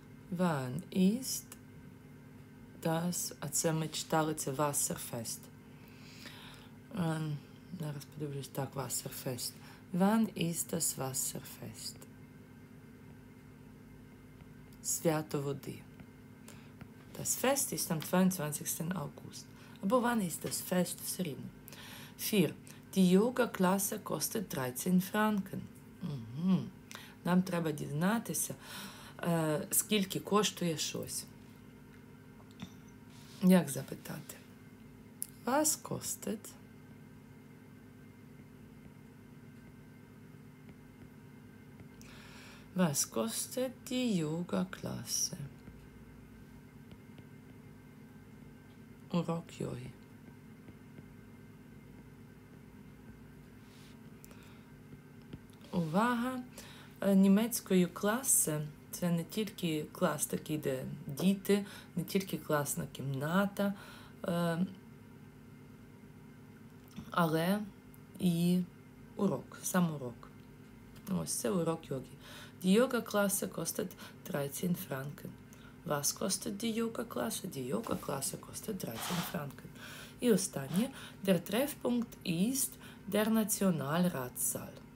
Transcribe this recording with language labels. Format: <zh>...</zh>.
<de>Wann ist das,</de> <uk>а це ми читали, це Wasserfest. Зараз подивлюсь, так, Wasserfest.</uk> <de>Wann ist das Wasserfest?</de> <uk>Свято води.</uk> <de>Das Fest ist am 22. August. Aber wann ist das Fest? 4. Die Yoga-Klasse kostet 13 Franken. Mhm.</de> <uk>Нам треба дізнатися, скільки коштує щось. Як запитати?</uk> <de>Was kostet? Was kostet die Yoga-Klasse?</de> <uk>Урок йоги. Увага! Німецькою класи – це не тільки клас такий, де діти, не тільки класна кімната, але і урок, сам урок. Ось це урок йоги.</uk> <de>Die Yoga-Klasse kostet 13 Franken. Was kostet die Yoga-Klasse? Die Yoga-Klasse kostet 13 Franken.</de> <uk>І останнє.</uk> <de>Der Treffpunkt ist der Nationalratssaal.</de>